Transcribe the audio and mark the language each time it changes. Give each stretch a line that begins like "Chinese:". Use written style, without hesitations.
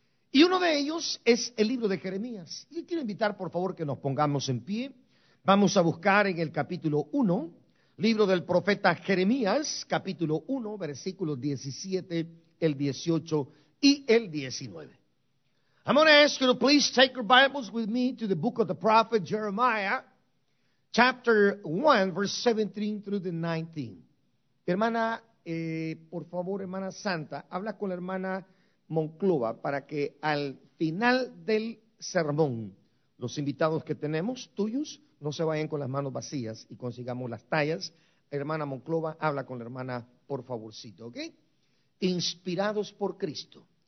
Spanish: Y uno de ellos es el libro de Jeremías. Y quiero invitar, por favor, que nos pongamos en pie. Vamos a buscar en el capítulo 1, libro del profeta Jeremías, capítulo 1, versículos 17, el 18 y el 19.
English: I'm going to ask you to please take your Bibles with me to the book of the prophet Jeremiah, chapter 1, verse 17 through the 19.
Spanish: Hermana, por favor, hermana Santa, habla con la hermana Monclova para que al final del sermón, los invitados que tenemos, tuyos, no se vayan con las manos vacías y consigamos las tallas. Hermana Monclova, habla con la hermana, por favorcito, ¿ok? Inspirados por Cristo.